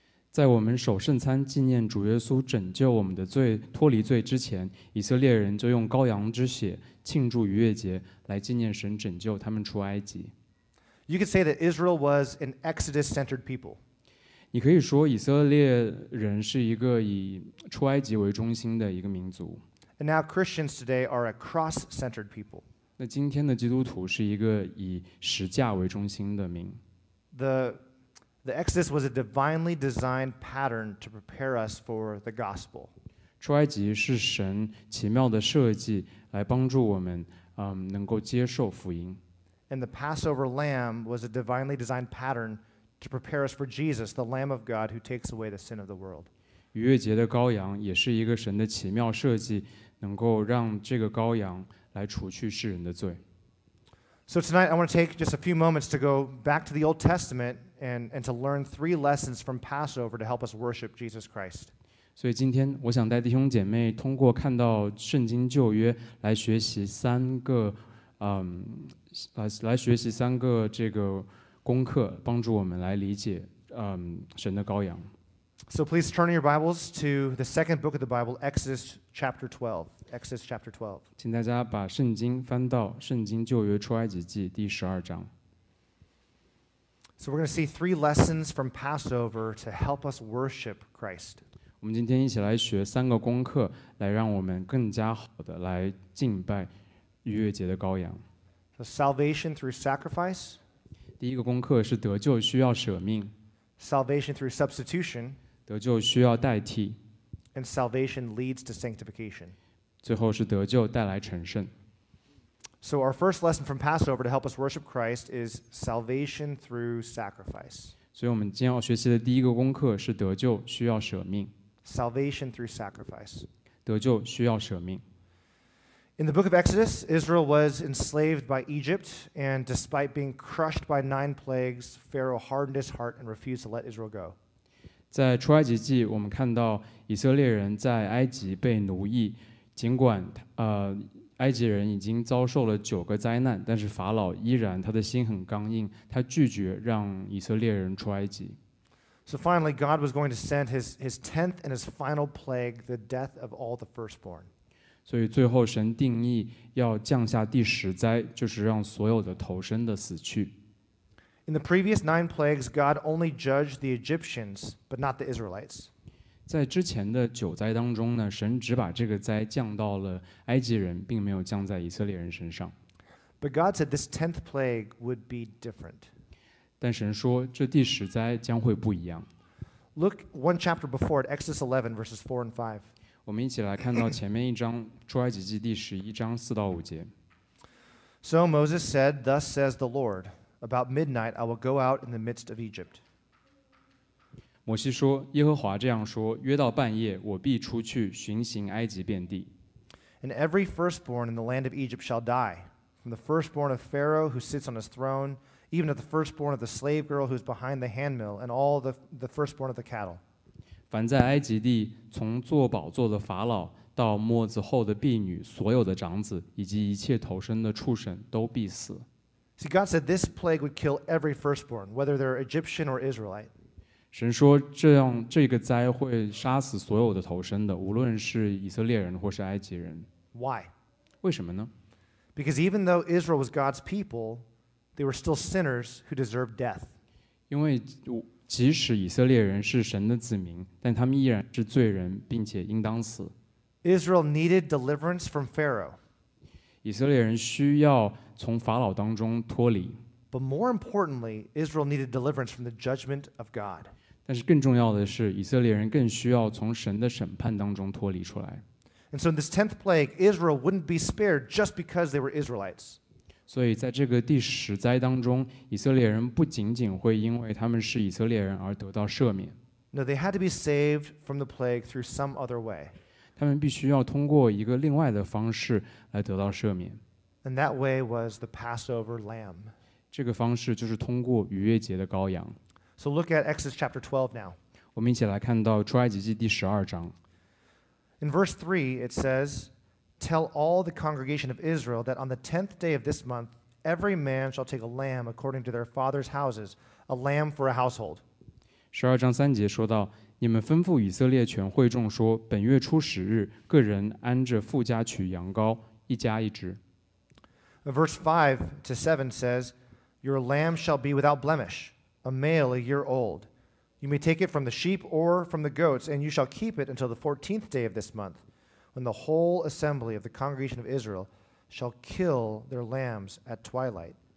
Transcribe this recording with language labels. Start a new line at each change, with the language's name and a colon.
Chinese: 在我们守圣餐纪念主耶稣拯救我们的罪、脱离罪之前，以色列人就用羔羊之血庆祝逾越节，来纪念神拯救他们出埃及。
English: You could say that Israel was an Exodus-centered people.
Chinese: 你可以说以色列人是一个以出埃及为中心的一个民族。
English: And now Christians today are a cross-centered people.
Chinese: 那今天的基督徒是一个以十架为中心的民。
English: The Exodus was a divinely designed pattern to prepare us for the gospel.
Chinese: 出埃及是神奇妙的设计，来帮助我们，能够接受福音。
English: And the Passover lamb was a divinely designed pattern to prepare us for Jesus, the Lamb of God who takes away the sin of the world.
Chinese: 逾越节的羔羊也是一个神的奇妙设计，能够让这个羔羊来除去世人的罪。
English: So tonight I want to take just a few moments to go back to the Old Testament and to learn three lessons from Passover to help us worship Jesus Christ.
Chinese: 所以今天我想带弟兄姐妹通过看到圣经旧约来学习三个，来学习三个这个功课，帮助我们来理解，神的羔羊。
English: So please turn your Bibles to the second book of the Bible, Exodus chapter 12. Exodus chapter 12.
Chinese: 请大家把圣经翻到圣经旧约出埃及记第十二章。
English: So we're going to see three lessons from Passover to help us worship Christ.
Chinese: 我们今天一起来学三个功课，来让我们更加好的来敬拜逾越节的羔羊。
English: So salvation through sacrifice.
Chinese: 第一个功课是得救需要舍命。
English: Salvation through substitution.
Chinese: 得救需要代替。
English: And salvation leads to sanctification.
Chinese: 最后是得救带来成圣。
English: So our first lesson from Passover to help us worship Christ is salvation through sacrifice.
Chinese: 所以我们今天要学习的第一个功课是得救需要舍命。
English: Salvation through sacrifice.
Chinese: 得救需要舍命。
English: In the book of Exodus, Israel was enslaved by Egypt, and despite being crushed by 9 plagues, Pharaoh hardened his heart and refused to let Israel go.
Chinese: 在出埃及记，我们看到以色列人在埃及被奴役，尽管埃及人已经遭受了九个灾难，但是法老依然他的心很刚硬，他拒绝让以色列人出埃及。
English: So finally, God was going to send his tenth and his final plague, the death of all the firstborn.
Chinese: 所以最后神定义要降下第十灾，就是让所有的投生的死去。
English: In the previous nine plagues, God only judged the Egyptians, but not the Israelites.
Chinese: 在之前的九灾当中呢，神只把这个灾降到了埃及人，并没有降在以色列人身上。
English: But God said this tenth plague would be different.
Chinese: 但神说这第十灾将会不一样。
English: Look one chapter before at Exodus 11 verses 4 and 5.
Chinese: 我们一起来看到前面一章，出埃及记第十一章四到五节。
English: So Moses said, "Thus says the Lord." About midnight, I will go out in the midst of Egypt.
Chinese: 摩西说，耶和华这样说，约到半夜，我必出去巡行埃及遍地。
English: And every firstborn in the land of Egypt shall die, from the firstborn of Pharaoh who sits on his throne, even to the firstborn of the slave girl who is behind the handmill, and all the firstborn of the cattle.
Chinese: 凡在埃及地，从坐宝座的法老到磨子后的婢女，所有的长子以及一切投生的畜生都必死。
English: See, God said this plague would kill every firstborn, whether they're Egyptian or Israelite.
Chinese: 神说这样这个灾会杀死所有的投生的，无论是以色列人或是埃及人。
English: Why?
Chinese: 为什么呢？
English: Because even though Israel was God's people, they were still sinners who deserved death.
Chinese: 因为即使以色列人是神的子民，但他们依然是罪人，并且应当死。
English: Israel needed deliverance from Pharaoh.
Chinese: 以色列人需要从法老当中脱离。
English: But more importantly, Israel needed deliverance from the judgment of God.
Chinese: 但是更重要的是，以色列人更需要从神的审判当中脱离出来。
English: And so in this tenth plague, Israel wouldn't be spared just because they were Israelites.
Chinese: 所以在这个第十灾当中，以色列人不仅仅会因为他们是以色列人而得到赦免。
English: No, they had to be saved from the plague through some other way.
Chinese: 他们必须要通过一个另外的方式来得到赦免。
English: And that way was the Passover lamb.
Chinese: 这个方式就是通过逾越节的羔羊。
English: So look at Exodus chapter 12 now.
Chinese: 我们一起来看到出埃及记第十二章。
English: In verse 3, it says, Tell all the congregation of Israel that on the 10th day of this month, every man shall take a lamb according to their father's houses, a lamb for a household.
Chinese: 十二章三节说到，你们吩咐以色列全会众说，本月初十日，个人按着父家取羊羔，一家一只。
English: Verse 5-7 says, Your lamb shall be without blemish, a male a year old. You may take it from the sheep or from the goats, and you shall keep it until the 14th day of this month, when the whole assembly of the congregation of Israel shall kill their lambs at twilight.